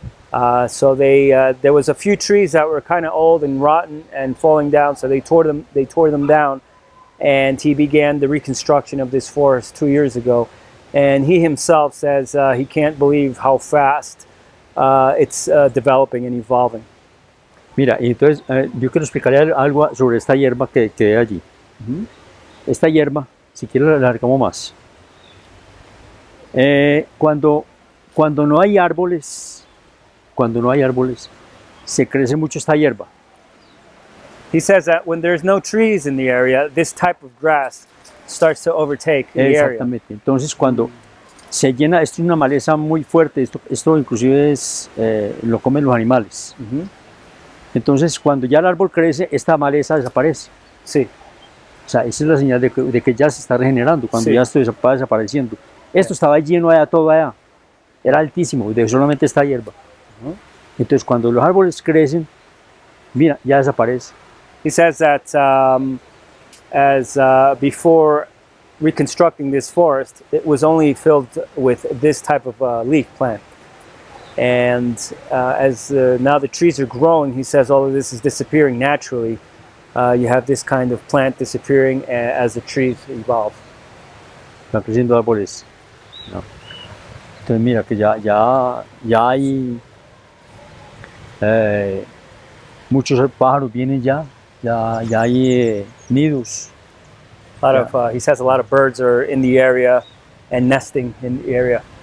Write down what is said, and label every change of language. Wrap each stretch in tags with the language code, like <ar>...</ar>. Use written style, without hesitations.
<en>There was a few trees that were kind of old and rotten and falling down, so they tore them down, and he began the reconstruction of this forest 2 years ago. And he himself says he can't believe how fast it's developing and evolving.</en> <es>Mira, entonces yo quiero explicarle algo sobre esta hierba que hay allí. Mm-hmm. Esta hierba, si quieres la alargamos más. Cuando no hay árboles, se crece mucho esta hierba.</es> <en>He says that when there's no trees in the area, this type of grass starts to overtake the</en> <es>Exactamente.</es> <en>Area.</en> <es>Exactamente. Entonces cuando se llena, esto es una maleza muy fuerte, esto inclusive es lo comen los animales. Mm-hmm. Entonces, cuando ya el árbol crece, esta maleza desaparece. Sí. O sea, esa es la señal de que ya se está regenerando, cuando sí. ya esto va desapareciendo. Esto sí. estaba lleno allá, todo allá. Era altísimo, de solamente esta hierba. Entonces, cuando los árboles crecen, mira, ya desaparece.</es> <en>He says that before reconstructing this forest, it was only filled with this type of leaf plant. And now the trees are growing, he says all of this is disappearing naturally. You have this kind of plant disappearing as the trees evolve.</en> <es>Están creciendo árboles. No. Entonces mira que ya hay muchos pájaros vienen ya hay nidos.</es> <en>A lot of he says a lot of birds are in the area and nesting in the area.</en>